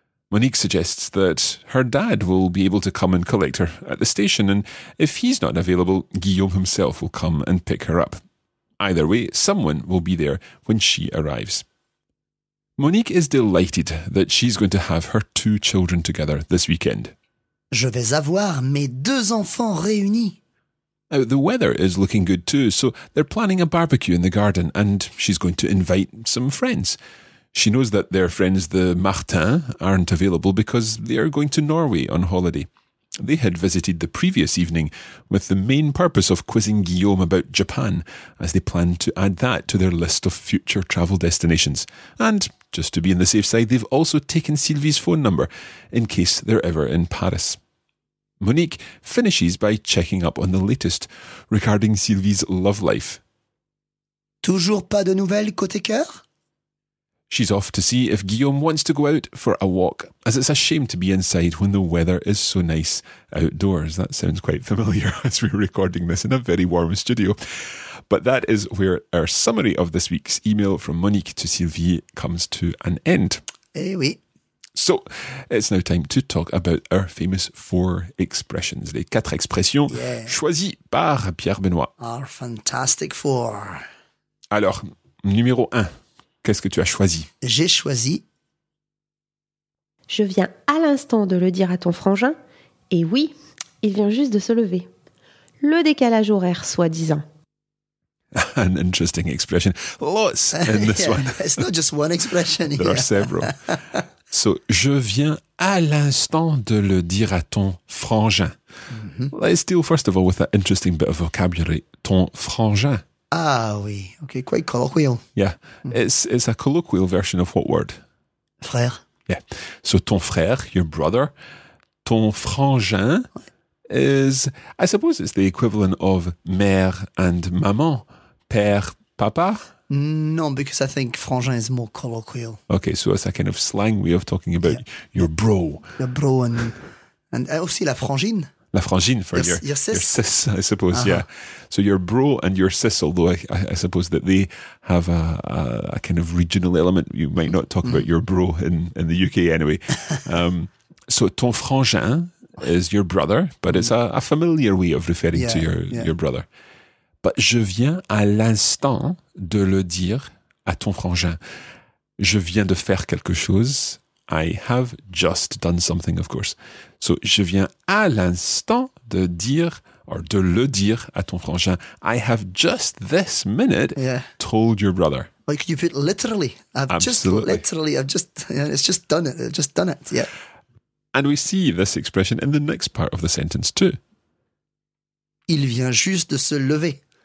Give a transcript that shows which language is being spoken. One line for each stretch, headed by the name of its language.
English: Monique suggests that her dad will be able to come and collect her at the station, and if he's not available, Guillaume himself will come and pick her up. Either way, someone will be there when she arrives. Monique is delighted that she's going to have her two children together this weekend.
French: Je vais avoir mes deux enfants réunis.
English: Now, the weather is looking good too, so they're planning a barbecue in the garden, and she's going to invite some friends. She knows that their friends, the Martins, aren't available because they are going to Norway on holiday. They had visited the previous evening with the main purpose of quizzing Guillaume about Japan, as they plan to add that to their list of future travel destinations. And, just to be on the safe side, they've also taken Sylvie's phone number in case they're ever in Paris. Monique finishes by checking up on the latest regarding Sylvie's love life.
French: Toujours pas de nouvelles côté cœur?
English: She's off to see if Guillaume wants to go out for a walk, as it's a shame to be inside when the weather is so nice outdoors. That sounds quite familiar as we're recording this in a very warm studio. But that is where our summary of this week's email from Monique to Sylvie comes to an end.
French: Eh oui.
English: So, it's now time to talk about our famous four expressions,
French: les quatre expressions choisies par Pierre Benoît.
English: Our fantastic four.
French: Alors, numéro un. Qu'est-ce que tu as choisi? J'ai choisi. Je viens à l'instant de le dire à ton frangin. Et oui, il vient juste de se lever. Le décalage horaire, soi-disant.
English: An interesting expression. Lots in this one. It's not just one expression. There are several.
French: So, je viens à l'instant de le dire à ton frangin. Mm-hmm.
English: Let's deal first of all with that interesting bit of vocabulary.
French: Ton frangin.
English: Ah oui, okay, quite colloquial. Yeah, it's a colloquial version of what word?
French: Frère.
English: Yeah, so ton frère, your brother, ton frangin is, I suppose it's the equivalent of mère and maman, père, papa? No, because I think frangin is more colloquial. Okay, so it's a kind of slang way of talking about your bro. Your bro and aussi la frangine.
French: La frangine for
English: your sis, I suppose, uh-huh. Yeah. So your bro and your sis, although I suppose that they have a kind of regional element. You might not talk about your bro in the UK anyway. So ton frangin is your brother, but it's a familiar way of referring to your brother.
French: But je viens à l'instant de le dire à ton frangin. Je viens de faire quelque chose.
English: I have just done something, of course.
French: So, je viens à l'instant de dire, or de le dire à ton frangin.
English: I have just this minute told your brother. Like you put literally. I've just done it. Yeah. And we see this expression in the next part of the sentence too.
French: Il vient juste de se lever.